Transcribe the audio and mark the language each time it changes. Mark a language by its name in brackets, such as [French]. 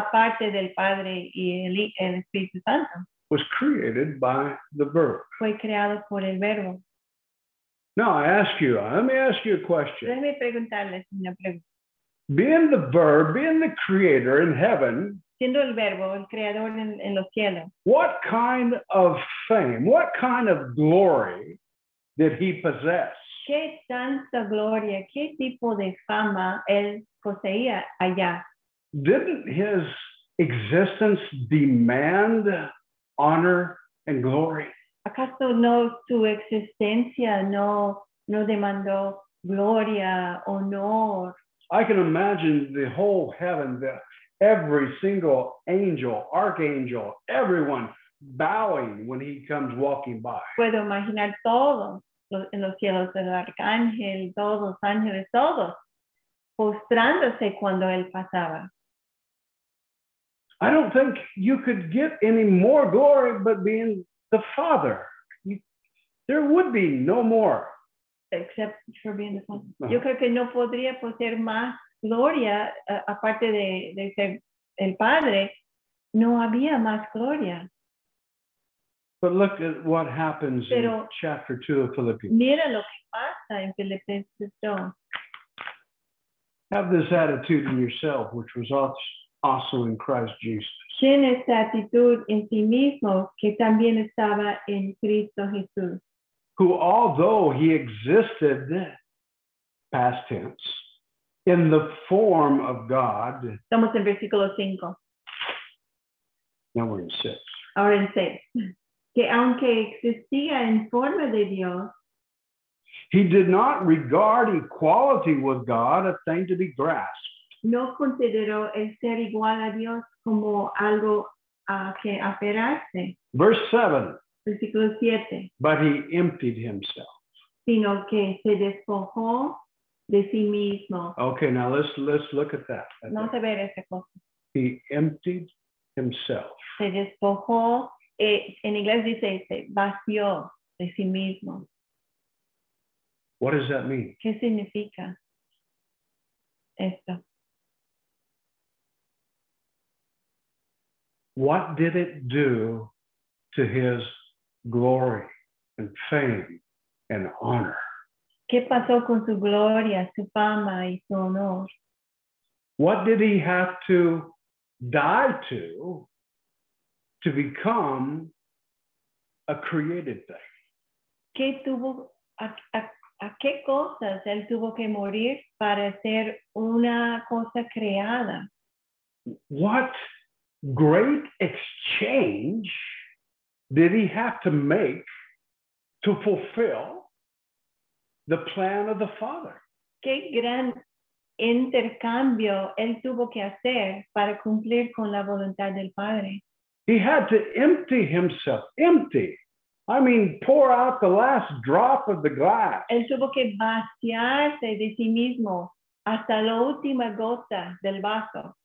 [Spanish] Aparte del Padre y el Espíritu Santo. [English] Was created by the verb. [Spanish] Fue creado por el verbo. [English] Now I ask you, let me ask you a question. [Spanish] Déjame preguntarles una pregunta. [English] Being the verb, being the creator in heaven. [Spanish] Siendo el verbo, el creador en los cielos. [English] What kind of fame, what kind of glory did he possess? [Spanish] ¿Qué tanta gloria, qué tipo de fama él poseía allá? [English] Didn't his existence demand honor and glory? [Spanish] ¿Acaso no su existencia no demandó gloria, honor? [English] I can imagine the whole heaven, that every single angel, archangel, everyone bowing when he comes walking by. [Spanish] Puedo imaginar todos en los cielos del arcángel, todos los ángeles, todos postrándose cuando él pasaba. [English] I don't think you could get any more glory but being the Father. There would be no more. Except for being the Father. Uh-huh. [Spanish] Yo creo que no podría poseer más gloria aparte de ser el Padre. No había más gloria. [English] But look at what happens in chapter 2 of Philippians. [Spanish] Mira lo que pasa en Filipenses 2. [English] Have this attitude in yourself, which was also in Christ Jesus. [Spanish] Tiene esta actitud en sí mismo que también estaba en Cristo Jesús. [English] Who, although he existed, past tense, in the form of God. [Spanish] Estamos en versículo 5. [English] Now we're in 6. [Spanish] Ahora en 6. Que aunque existía en forma de Dios, [English] he did not regard equality with God a thing to be grasped. [Spanish] No consideró el ser igual a Dios como algo a que aferrarse. [English] Verse 7. [Spanish] Versículo 7. [English] But he emptied himself. [Spanish] Sino que se despojó de sí mismo. [English] Okay, now let's look at that. [Spanish] Vamos a ver esa cosa. [English] He emptied himself. [Spanish] Se despojó. En inglés dice, se vació de sí mismo. [English] What does that mean? [Spanish] ¿Qué significa esto? [English] What did it do to his glory and fame and honor? [Spanish] ¿Qué pasó con su gloria, su fama y su honor? [English] What did he have to die to become a created thing? [Spanish] ¿Qué tuvo, a qué cosas él tuvo que morir para ser una cosa creada? [English] What great exchange did he have to make to fulfill the plan of the Father? [Spanish] ¿Qué gran intercambio él tuvo que hacer para cumplir con la voluntad del Padre? [English] He had to empty himself. Empty. I mean, pour out the last drop of the glass. [Spanish] Él tuvo que vaciarse de sí mismo hasta la última gota del vaso.